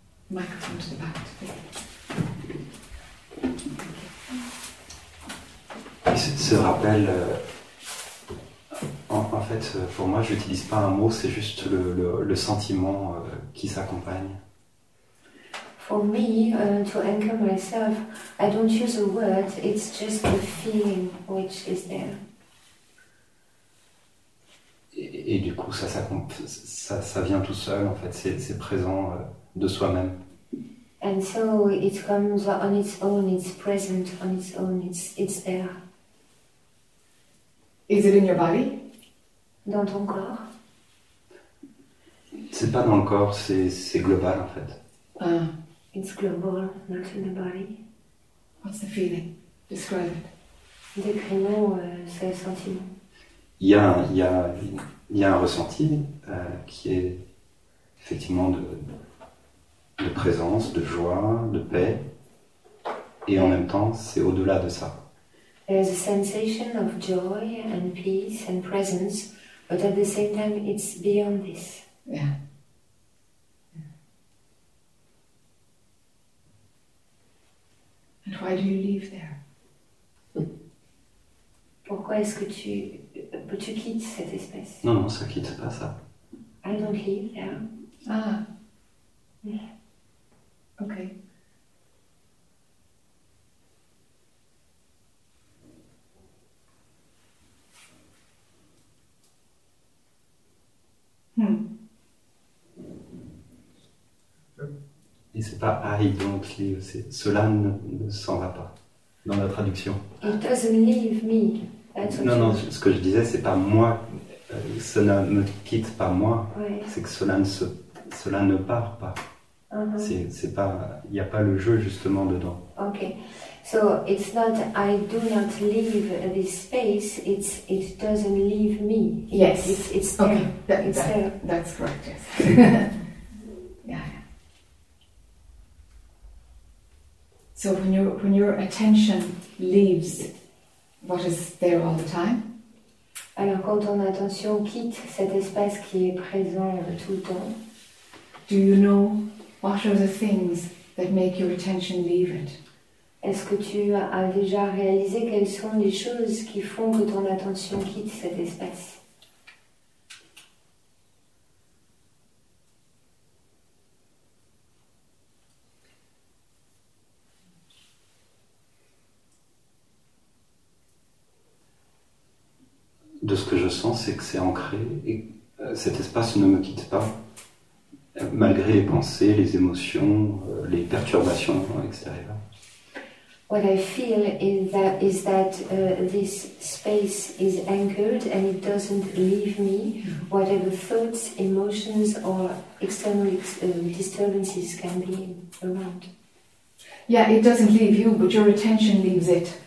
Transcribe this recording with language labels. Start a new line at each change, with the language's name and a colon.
English: Microphone to the back. Thank you.
French: Ce rappel, en fait, pour moi, je n'utilise pas un mot, c'est juste le sentiment qui s'accompagne.
English: For me, to anchor myself, I don't use a word, it's just the feeling which is there.
French: Et du coup, ça vient tout seul, en fait, c'est présent de soi-même.
English: And so it comes on its own, it's present on its own, it's there. Is it in your body?
French: Dans ton corps? C'est pas dans le corps, c'est global en fait.
English: It's global, not in the body. What's the feeling? Describe it.
French: Décris-nous ce sentiment. Il y a un ressenti qui est effectivement de présence, de joie, de paix. Et en même temps, c'est au-delà de ça.
English: There's a sensation of joy and peace and presence, but at the same time, it's beyond this. Yeah. And why do you live there?
French: Pourquoi est-ce que tu quittes cette espèce? Non, non, ça quitte pas ça.
English: I don't live there. Ah. Okay.
French: Et c'est pas
English: I don't live,
French: c'est cela ne s'en va pas dans la traduction.
English: It doesn't leave me. That's
French: non, non, ce que je disais, c'est pas moi, ça ne me quitte pas moi, ouais. C'est que cela ne part pas. Uh-huh. C'est pas, il n'y a pas le jeu justement dedans.
English: Ok, so it's not I do not leave this space, it doesn't leave me. Yes, it's there. Okay. It's there. That's correct, yes. So when your attention leaves what is there all the time?
French: Alors quand ton attention quitte cet espace qui est présent tout le temps,
English: do you know what are the things that make your attention leave it?
French: Est-ce que tu as déjà réalisé quelles sont les choses qui font que ton attention quitte cet espace? De ce que je sens, c'est que c'est ancré et cet espace ne me quitte pas, malgré les pensées, les émotions, les perturbations extérieures.
English: What I feel is that this space is anchored and it doesn't leave me, whatever thoughts, emotions or external disturbances can be around. Yeah, it doesn't leave you, but your attention leaves it.